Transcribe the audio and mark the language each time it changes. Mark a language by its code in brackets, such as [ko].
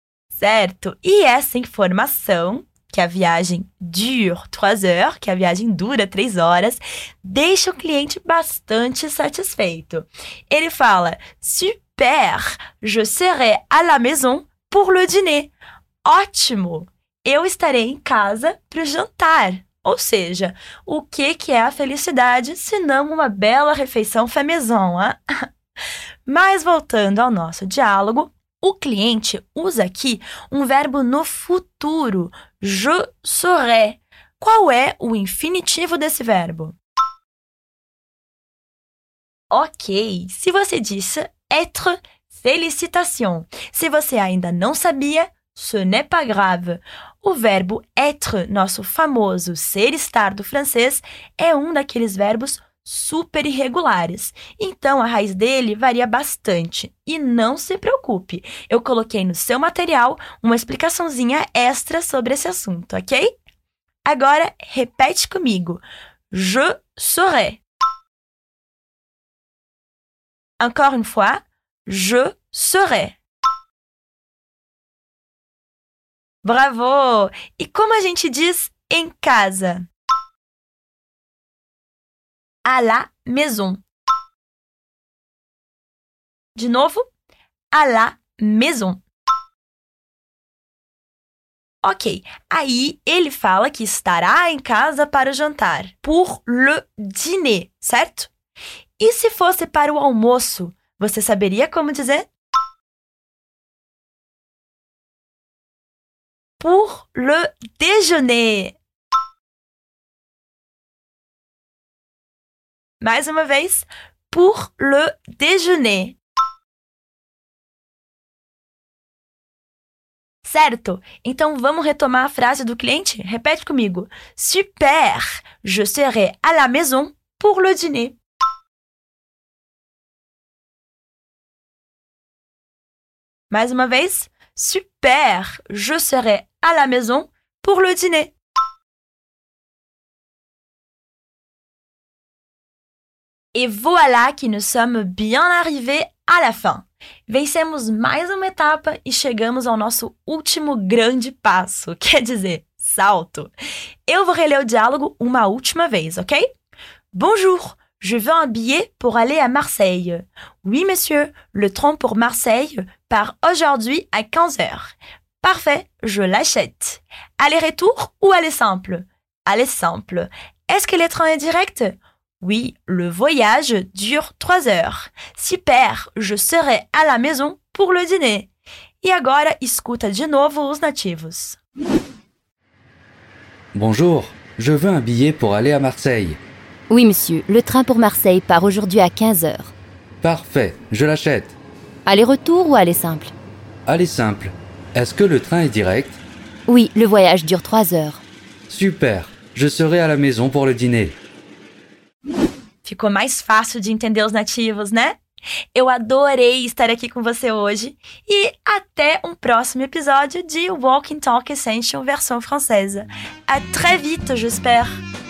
[pt] Certo, e essa informação, que a viagem dure 3 heures, que a viagem dura 3 horas, deixa o cliente bastante satisfeito. Ele fala, [fr] super, je serai à la maison pour le dîner. [pt] Ótimo! Eu estarei em casa para o jantar. Ou seja, o que, que é a felicidade se não uma bela refeição famaison, hein? Mas voltando ao nosso diálogo, o cliente usa aqui um verbo no futuro, je serai. Qual é o infinitivo desse verbo? Ok, se você disse être, félicitations. Se você ainda não sabia, [fr] ce n'est pas grave. [pt] O verbo être, nosso famoso ser-estar do francês, é um daqueles verbos super irregulares. Então, a raiz dele varia bastante. E não se preocupe, eu coloquei no seu material uma explicaçãozinha extra sobre esse assunto, ok? Agora, repete comigo. [fr] Je serai. Encore une fois, je serai. [pt] Bravo! E como a gente diz em casa? [fr] À la maison. [pt] De novo, [fr] à la maison. [pt] Ok, aí ele fala que estará em casa para o jantar. [fr] Pour le dîner, [pt] certo? E se fosse para o almoço, você saberia como dizer? [fr] Pour le déjeuner. [pt] Mais uma vez, [fr] pour le déjeuner. [pt] Certo, então vamos retomar a frase do cliente? Repete comigo. [fr] Super, je serai à la maison pour le dîner. [pt] Mais uma vez, [fr] super, je serai à la maison pour le dîner. Et voilà que nous sommes bien arrivés à la fin. [pt] Vencemos mais uma etapa e chegamos ao nosso último grande passo, quer dizer, salto. Eu vou reler o diálogo uma última vez, ok? [fr] Bonjour, je veux un billet pour aller à Marseille. Oui, monsieur, le train pour Marseille part aujourd'hui à 15h. Parfait, je l'achète. Aller-retour ou aller simple? Aller simple. Est-ce que le train est direct? Oui, le voyage dure 3 heures. Super, je serai à la maison pour le dîner. [pt] E agora, escuta de novo os nativos. [fr] Bonjour, je veux un billet pour aller à Marseille. Oui, monsieur, le train pour Marseille part aujourd'hui à 15h. Parfait, je l'achète. Aller-retour ou aller simple? Aller simple. Est-ce que le train est direct? Oui, le voyage dure 3 heures. Super, je serai à la maison pour le dîner. [pt] Ficou mais fácil de entender os nativos, né? Eu adorei estar aqui com você hoje e até um próximo episódio de Walking Talk Essential versão francesa. [fr] À très vite, j'espère!